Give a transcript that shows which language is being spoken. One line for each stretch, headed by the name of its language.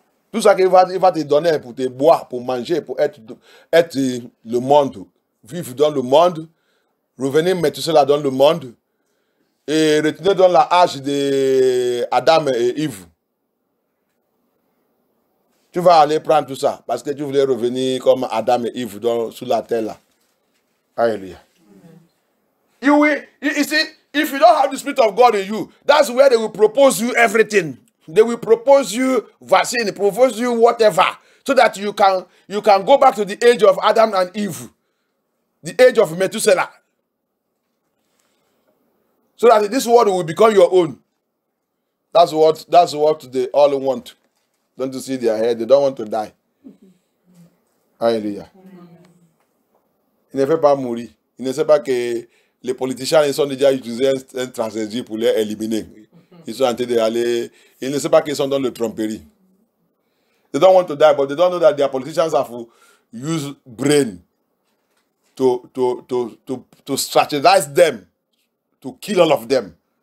French: Tout ça qu'il va te donner pour te boire, pour manger, pour être le monde, vivre dans le monde, revenir mettre cela dans le monde, et retourner dans l'âge d'Adam et Eve. Tu vas aller prendre tout ça, parce que tu voulais revenir comme Adam et Eve sur la terre là. Alléluia.
English: You see, if you don't have the Spirit of God in you, that's where they will propose you everything. They will propose you vaccine, propose you whatever, so that you can go back to the age of Adam and Eve, the age of Methuselah. So that this world will become your own. That's what they all want. Don't you see their head? They don't want to die. Alléluia.
French: Il ne veut pas mourir. Il ne sait pas que les politiciens ils sont déjà utilisés un transgénique pour les éliminer. Ils sont en train d'aller. Ils ne savent pas qu'ils sont dans le tromperie.
English: They don't want to die, but they don't know that their politicians have used brain to strategize them to kill all of them.